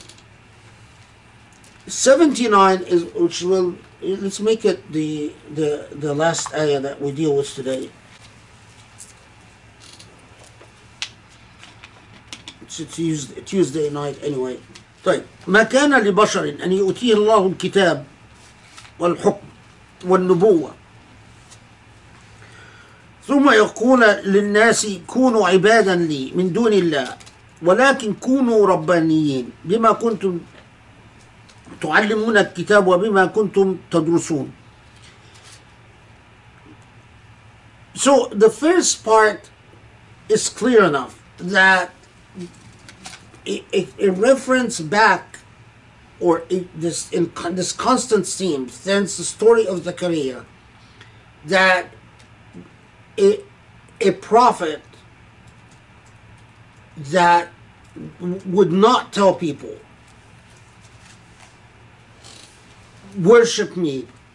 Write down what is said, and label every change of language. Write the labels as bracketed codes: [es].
[en] Okay. 79 is which will let's make it the last ayah that we deal with today. It's Tuesday night anyway. [ar] طيب ما كان لبشر أن يؤتيه الله الكتاب والحكم والنبوة ثم يقول للناس كونوا عبادا لي من دون الله ولكن كونوا ربانيين بما كنتم تعلمون الكتاب وبما كنتم تدرسون. [en] So the first part is clear enough that a reference back, or this constant theme, since the story of Zakaria, that a prophet that would not tell people, worship me,